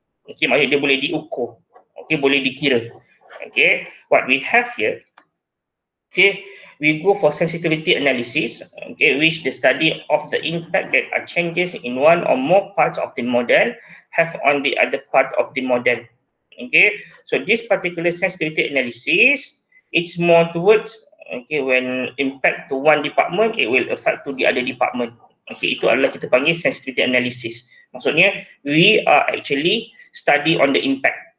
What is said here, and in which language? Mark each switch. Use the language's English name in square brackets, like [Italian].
[English] Okay, [Malay] maksudnya dia boleh diukur. [English] Okay, [Malay] boleh dikira. [English] Okay, what we have here, okay, we go for sensitivity analysis, okay, which the study of the impact that are changes in one or more parts of the model have on the other part of the model. Okay, so this particular sensitivity analysis, it's more towards, okay, when impact to one department, it will affect to the other department. [Malay] Okay, itu adalah kita panggil sensitivity analysis. [English] Maksudnya, we are actually study on the impact.